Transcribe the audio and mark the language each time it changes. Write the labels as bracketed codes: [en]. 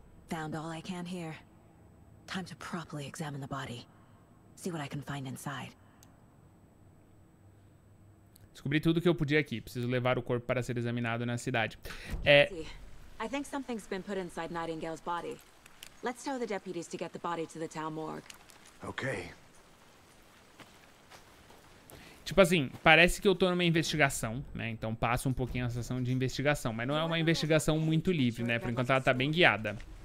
[en] Found all I can here. Time to properly examine the body. See what I can find inside. [pt] Descobri tudo o que eu podia aqui. Preciso levar o corpo para ser examinado na cidade. [en] I think something's been put inside Nightingale's body. Let's tell the deputies to get the body to the town morgue. Okay. [pt] Tipo assim, parece que eu tô numa investigação, né? Então passa um pouquinho a sensação de investigação, mas não é uma investigação muito livre, né? Por enquanto ela tá bem guiada.